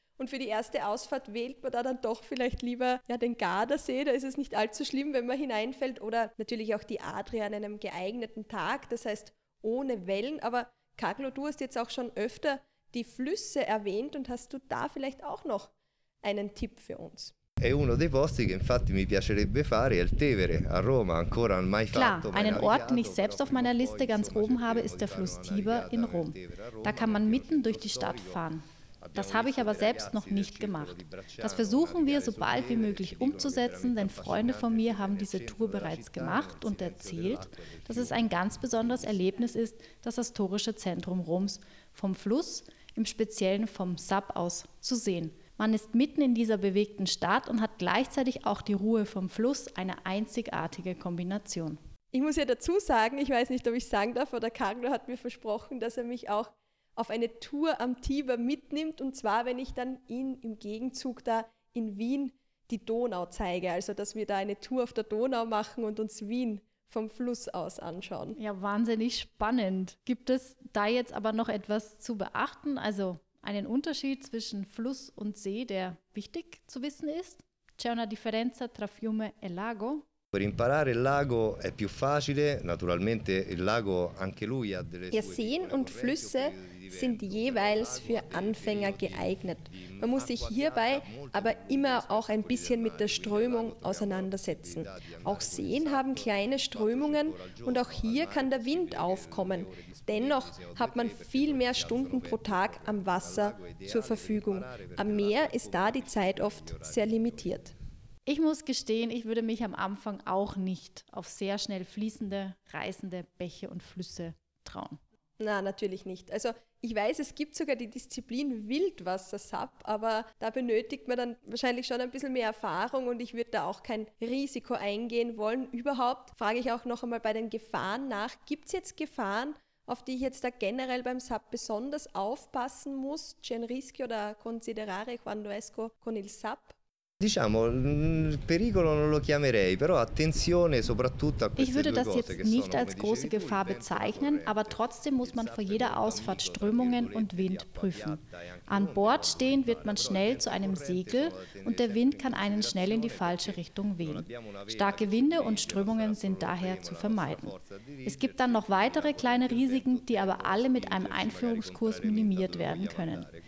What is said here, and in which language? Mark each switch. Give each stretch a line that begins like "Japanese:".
German: Und für die erste Ausfahrt wählt man da dann doch vielleicht lieber ja, den Gardasee, da ist es nicht allzu schlimm, wenn man hineinfällt. Oder natürlich auch die Adria an einem geeigneten Tag, das heißt ohne Wellen, aber Carlo, du hast jetzt auch schon öfter die Flüsse erwähnt und hast du da vielleicht auch noch einen Tipp für uns?
Italian: È uno dei posti che infatti mi piacerebbe fare è il Tevere a Roma, ancora non mai
German: Klar,
Italian: fatto.
German: Klar, einen Ort, den ich selbst auf meiner Liste ganz oben habe, ist der Fluss Tiber in Rom. Da kann man mitten durch die Stadt fahren. Das habe ich aber selbst noch nicht gemacht. Das versuchen wir so bald wie möglich umzusetzen, denn Freunde von mir haben diese Tour bereits gemacht und erzählt, dass es ein ganz besonderes Erlebnis ist, das historische Zentrum Roms vom Fluss, im Speziellen vom SUP aus, zu sehen. Man ist mitten in dieser bewegten Stadt und hat gleichzeitig auch die Ruhe vom Fluss, eine einzigartige Kombination. Ich muss ja dazu sagen, ich weiß nicht, ob ich sagen darf, aber Carlo hat mir versprochen, dass er mich auch auf eine Tour am Tiber mitnimmt, und zwar, wenn ich dann ihn im Gegenzug da in Wien die Donau zeige. Also, dass wir da eine Tour auf der Donau machen und uns Wien vom Fluss aus anschauen. Ja, wahnsinnig spannend. Gibt es da jetzt aber noch etwas zu beachten? Also einen Unterschied zwischen Fluss und See, der wichtig zu wissen ist?
Italian: C'è una differenza tra Fiume e Lago? Per imparare il lago è più facile, naturalmente il lago anche lui ha delle sue.
German: Ja, Seen und Flüsse sind jeweils für Anfänger geeignet. Man muss sich hierbei aber immer auch ein bisschen mit der Strömung auseinandersetzen. Auch Seen haben kleine Strömungen und auch hier kann der Wind aufkommen. Dennoch hat man viel mehr Stunden pro Tag am Wasser zur Verfügung. Am Meer ist da die Zeit oft sehr limitiert. Ich muss gestehen, ich würde mich am Anfang auch nicht auf sehr schnell fließende, reißende Bäche und Flüsse trauen. Na, natürlich nicht. Also Ich weiß, es gibt sogar die Disziplin Wildwasser-SUP, aber da benötigt man dann wahrscheinlich schon ein bisschen mehr Erfahrung und ich würde da auch kein Risiko eingehen wollen. Überhaupt frage ich auch noch einmal bei den Gefahren nach. Gibt es jetzt Gefahren, auf die ich jetzt da generell beim SUP besonders aufpassen muss?
Italian: C'è rischi oder considerare quando esco con il SUP? Diciamo, pericolo non lo chiamerei, però attenzione soprattutto a queste due cose.
German: Ich würde das jetzt nicht als große Gefahr bezeichnen, aber trotzdem muss man vor jeder Ausfahrt Strömungen und Wind prüfen. An Bord stehen wird man schnell zu einem Segel und der Wind kann einen schnell in die falsche Richtung wehen. Starke Winde und Strömungen sind daher zu vermeiden. Es gibt dann noch weitere kleine Risiken, die aber alle mit einem Einführungskurs minimiert werden können.